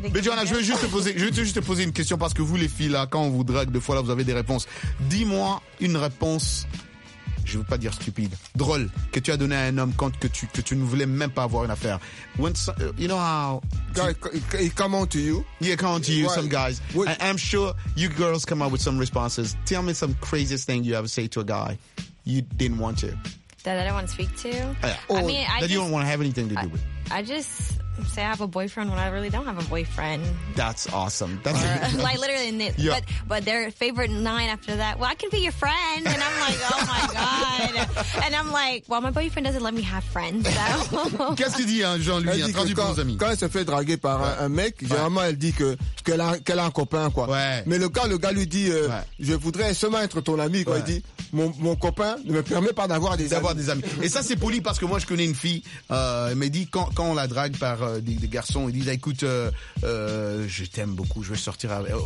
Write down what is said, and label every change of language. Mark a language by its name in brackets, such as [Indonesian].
[French] Mais Johanna, je vais juste te poser une question parce que vous, les filles, là, quand on vous drague, deux fois, là, vous avez des réponses. Dis-moi une réponse, je ne veux pas dire stupide, drôle, que tu as donné à un homme quand que tu ne voulais même pas avoir une affaire. [English] When so, you know how... He come on to you. Yeah, come on to you, right. Some guys. I'm sure you girls come up with some responses. Tell me some craziest thing you ever say to a guy you didn't want to. That I don't want to speak to. You don't want to have anything to do with. I just say I have a boyfriend when I really don't have a boyfriend. That's awesome. Like literally, but their favorite line after that, well, I can be your friend. And I'm like, oh my God. And I'm like, well, my boyfriend doesn't let me have friends, so. [French] Qu'est-ce qu'il dit, Jean-Louis, elle dit pour vos amis. Quand elle se fait draguer par un mec, généralement, elle dit qu'elle a un copain, quoi. Ouais. Mais le gars lui dit, je voudrais seulement être ton ami, quoi. Ouais. Il dit, mon copain ne me permet pas d'avoir des amis. Et ça, c'est poli parce que moi, je connais une fille, elle m'a dit, quand on la drague par des garçons, il dit, écoute, je t'aime beaucoup, je vais sortir avec...